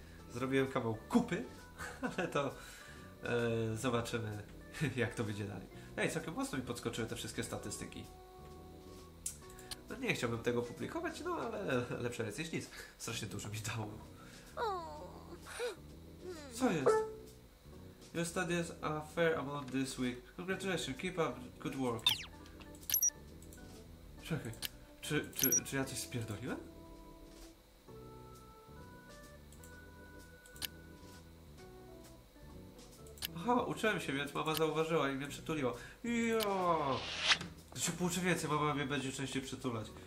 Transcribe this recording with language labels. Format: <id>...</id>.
<pl>Zrobiłem kawał kupy, ale to zobaczymy, jak to wyjdzie dalej. Ej, całkiem mocno mi podskoczyły te wszystkie statystyki. No nie chciałbym tego publikować, no ale lepsze jest niż nic. Strasznie dużo mi dało. Co jest?</pl> <en>Your studies are fair about this week. Congratulations, keep up good work.</en> <pl>Czekaj, czy ja coś spierdoliłem? Aha, uczyłem się, więc mama zauważyła i mnie przytuliła. Jo! Się pouczę więcej, mama mnie będzie częściej przytulać.</pl>